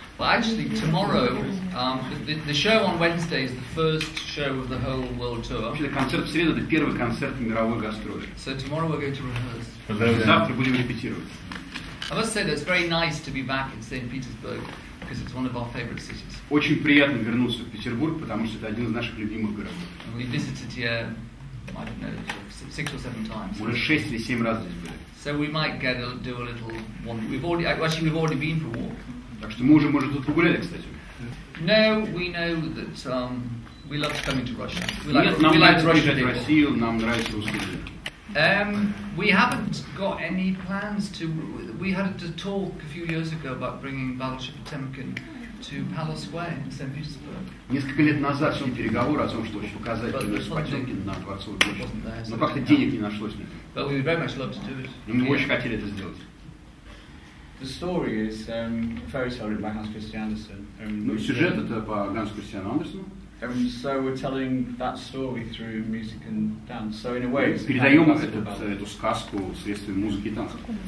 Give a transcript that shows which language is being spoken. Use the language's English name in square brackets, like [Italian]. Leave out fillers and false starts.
[English] Well, actually, tomorrow, the show on Wednesday is the first show of the whole world tour. So tomorrow we're going to rehearse. I must say that it's very nice to be back in St. Petersburg because it's one of our favorite cities. [Russian] Очень приятно вернуться в Петербург, потому что это один из наших любимых городов. [English] And we visited here, I don't know, 6 or 7 times. [Russian] Уже 6 или 7 раз здесь были. [English] So we might get do a little one. We've already been for a walk. [Russian] Так что мы уже, может, тут погуляли, кстати. [English] No, we know that we love coming to Russia. [Russian] Нам нравится русские люди. [English] We haven't got any plans to. We had a talk a few years ago about bringing Battleship Potemkin to Palace Square in St. Petersburg. [Russian] Несколько лет назад шел переговор о том, что показать Battleship Potemkin на Дворцовой площади. Но как-то денег не нашлось. [English] But we would very much love to do it. [Russian] Мы очень хотели это сделать. [English] The story is a fairy tale written by Hans Christian Andersen. [Russian] Сюжет это по Hans Christian Andersen. [English] So we're telling that story through music and dance. So in a way, it's [Russian] передаем эту сказку средствами музыки и танцев.